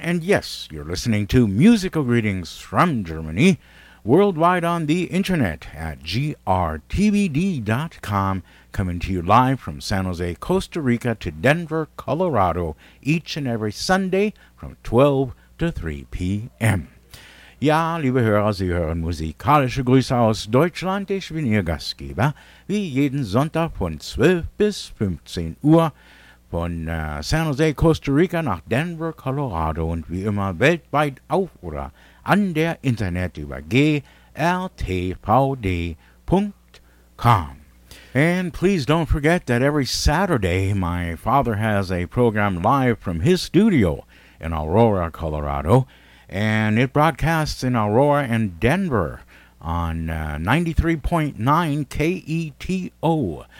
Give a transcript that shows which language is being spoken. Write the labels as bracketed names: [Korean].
[English] And yes, you're listening to Musical Greetings from Germany, worldwide on the internet at grtvd.com, coming to you live from San Jose, Costa Rica to Denver, Colorado, each and every Sunday from 12 to 3 p.m. [German] Ja, liebe Hörer, Sie hören musikalische Grüße aus Deutschland. Ich bin Ihr Gastgeber, wie jeden Sonntag von 12 bis 15 Uhr von San Jose, Costa Rica nach Denver, Colorado und wie immer weltweit auf oder an der Internet über grtvd.com. [English] And please don't forget that every Saturday my father has a program live from his studio in Aurora, Colorado. And it broadcasts in Aurora and Denver on 93.9 KETO.